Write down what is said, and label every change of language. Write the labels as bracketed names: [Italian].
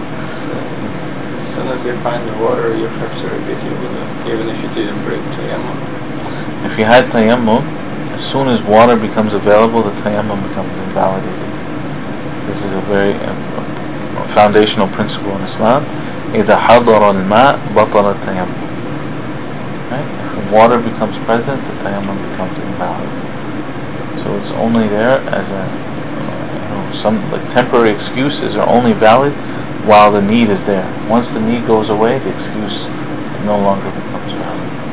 [English] As soon as you find the water, you have to repeat Yubudu, even if you didn't break Tayammum. If you had Tayammum, as soon as water becomes available, the Tayammum becomes invalidated. This is a very foundational principle in Islam. [Arabic] إِذَا حَضَرَ الْمَاءِ بَطَلَ التَّيَمُّمْ. [English] Right? If water becomes present, the Tayammum becomes invalid. So it's only there as a, you know, some like temporary excuses are only valid while the need is there. Once the need goes away, the excuse no longer becomes valid.